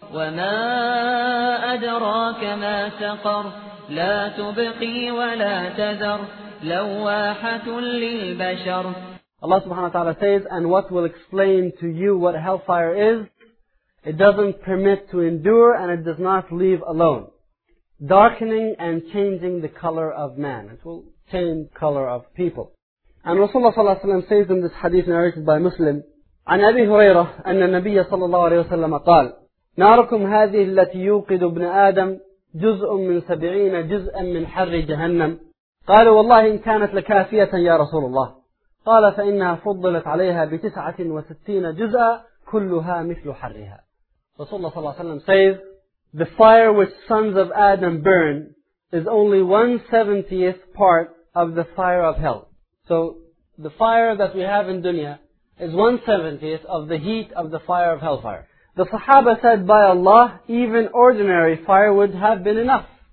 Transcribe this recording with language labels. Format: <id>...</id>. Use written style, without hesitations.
<ar>وَمَا أَدْرَاكَ مَا سَقَرْ لَا تُبْقِي وَلَا تَذَرْ لَوَّاحَةٌ لِلْبَشَرْ.</ar> <en>Allah subhanahu wa ta'ala says, and what will explain to you what hellfire is, it doesn't permit to endure and it does not leave alone, darkening and changing the color of man. It will change color of people. And Rasulullah sallallahu alayhi wa sallam says in this hadith narrated by Muslim,</en> <ar>عن أبي هريرة أن النبي صلى الله عليه وسلم قال ناركم هذه التي يوقد ابن آدم جزء من سبعين جزءا من حر جهنم. قالوا والله إن كانت لكافية يا رسول الله. قال فإنها فضلت عليها بتسعة وستين جزءا كلها مثل حرها. رسول الله صلى الله عليه وسلم</ar> <en>says, the fire which sons of Adam burn is only 1/70th part of the fire of hell. So the fire that we have in dunya is 1/70th of the heat of the fire of hellfire. The Sahaba said, by Allah, even ordinary fire would have been enough.</en>